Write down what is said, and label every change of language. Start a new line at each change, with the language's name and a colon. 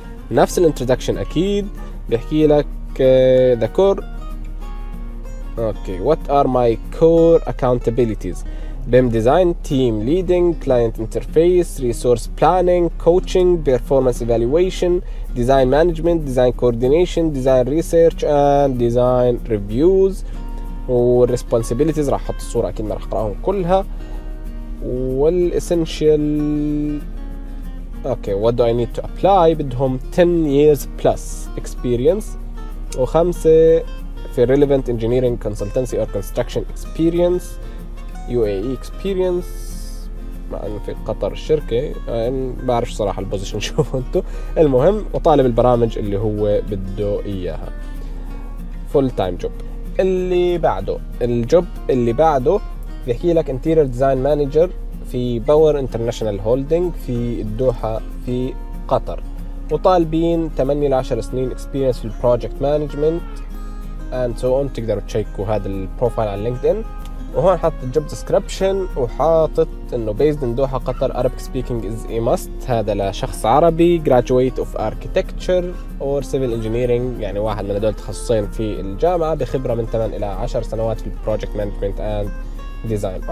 Arabic: نفس الانترودكشن اكيد. بيحكي لك ذكر
English: Okay: what are my core accountabilities? BIM design, team leading, client interface, resource planning, coaching, performance evaluation, design management, design coordination, design research and design reviews.
Arabic: والريسبونسابيليتيز راح احط الصوره اكيد، ما راح اقراهم كلها.
English: والاسينشال okay, what do I need to apply? بدهم 10 years plus experience و5 في relevant engineering consultancy or construction experience, UAE experience.
Arabic: مع ان في قطر الشركة ان بعرف صراحة البوزيشن شوفوا انتو. المهم وطالب البرامج اللي هو بده اياها.
English: full time job.
Arabic: اللي بعده الجوب اللي بعده بيحكي لك
English: interior design manager
Arabic: في باور انترناشنال هولدنج في الدوحة في قطر. وطالبين 8-10 سنين
English: experience في project management and so on.
Arabic: تقدروا تشيكوا هذا البروفايل على لينكدين. وهون حاطط
English: job description
Arabic: وحاطط انه
English: based in
Arabic: دوحة قطر،
English: Arabic speaking is a must،
Arabic: هذا لشخص عربي،
English: graduate of architecture or civil engineering،
Arabic: يعني واحد من هدول تخصصين في الجامعة، بخبرة من 8-10 سنوات في
English: project management and design.